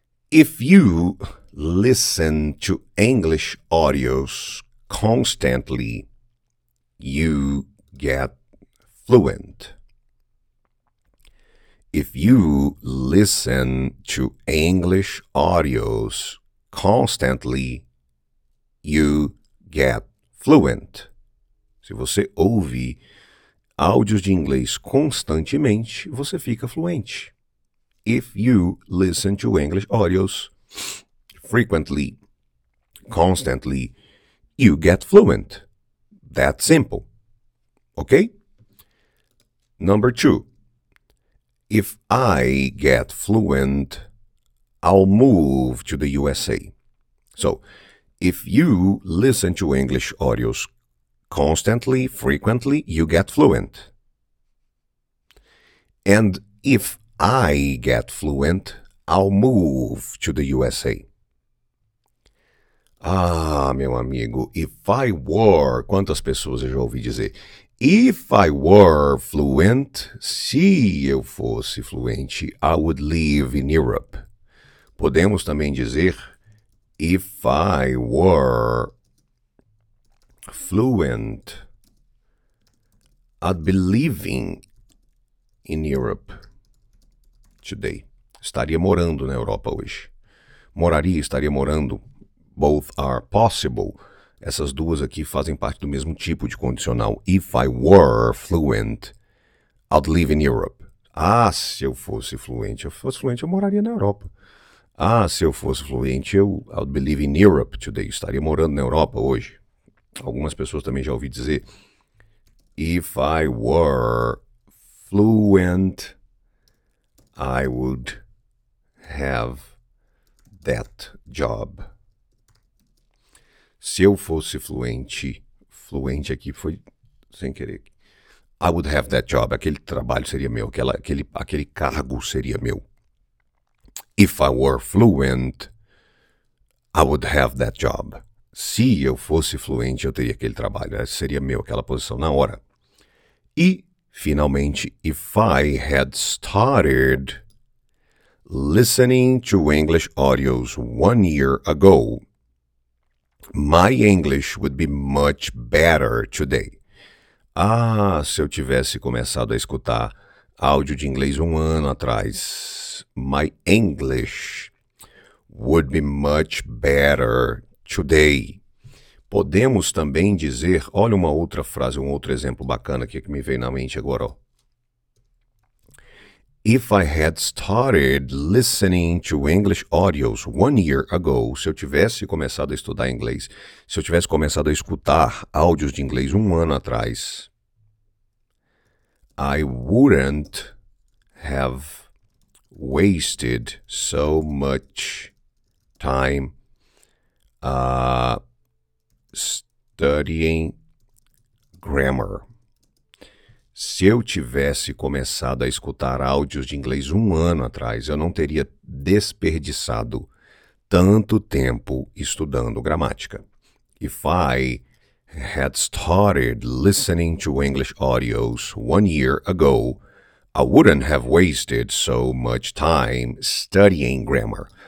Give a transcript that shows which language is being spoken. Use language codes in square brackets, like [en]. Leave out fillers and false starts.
[en] If you listen to English audios constantly, you get fluent. If you listen to English audios constantly, you get fluent. [pt] Se você ouve áudios de inglês constantemente, você fica fluente. [en] If you listen to English audios frequently, constantly, you get fluent. That simple. Ok? Number two. If I get fluent, I'll move to the USA. So, if you listen to English audios constantly, frequently, you get fluent. And if I get fluent, I'll move to the USA. [pt] Ah, meu amigo, [en] if I were, [pt] quantas pessoas eu já ouvi dizer? [en] If I were fluent, [pt] se eu fosse fluente, [en] I would live in Europe. [pt] Podemos também dizer, [en] if I were fluent, I'd be living in Europe today. [pt] Estaria morando na Europa hoje. Moraria, estaria morando, [en] both are possible. [pt] Essas duas aqui fazem parte do mesmo tipo de condicional. [en] If I were fluent, I'd live in Europe. [pt] Ah, se eu fosse fluente, eu moraria na Europa. Ah, se eu fosse fluente, [en] I'd live in Europe today. [pt] Eu estaria morando na Europa hoje. Algumas pessoas também já ouvi dizer. [en] If I were fluent, I would have that job. [pt] Se eu fosse fluente, fluente aqui foi sem querer. [en] I would have that job. [pt] Aquele trabalho seria meu. Aquele cargo seria meu. [en] If I were fluent, I would have that job. [pt] Se eu fosse fluente, eu teria aquele trabalho. Seria meu, aquela posição na hora. E, finalmente, [en] if I had started listening to English audios 1 year ago, my English would be much better today. [pt] Ah, se eu tivesse começado a escutar áudio de inglês 1 ano atrás, [en] my English would be much better today. [pt] Podemos também dizer, olha uma outra frase, um outro exemplo bacana aqui que me veio na mente agora, ó. [en] If I had started listening to English audios 1 year ago, [pt] se eu tivesse começado a estudar inglês, se eu tivesse começado a escutar áudios de inglês 1 ano atrás, [en] I wouldn't have wasted so much time studying grammar. [pt] Se eu tivesse começado a escutar áudios de inglês 1 ano atrás, eu não teria desperdiçado tanto tempo estudando gramática. [en] If I had started listening to English audios 1 year ago, I wouldn't have wasted so much time studying grammar.